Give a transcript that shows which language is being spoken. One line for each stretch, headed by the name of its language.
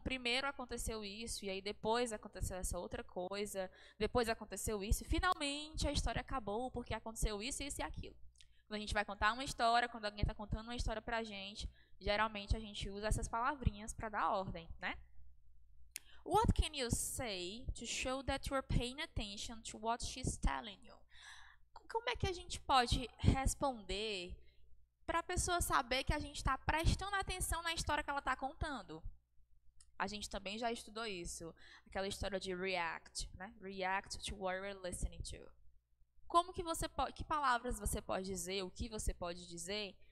Portuguese: Primeiro aconteceu isso, e aí depois aconteceu essa outra coisa, depois aconteceu isso, finalmente a história acabou porque aconteceu isso e aquilo. Quando a gente vai contar uma história, quando alguém está contando uma história para a gente, geralmente a gente usa essas palavrinhas para dar ordem, né?
English: What can you say to show that you're paying attention to what she's telling you?
Portuguese: Como é que a gente pode responder para a pessoa saber que a gente está prestando atenção na história que ela está contando? A gente também já estudou isso, aquela história de react, né?
English: React to what you're listening to.
Portuguese: Como que você pode, que palavras você pode dizer, o que você pode dizer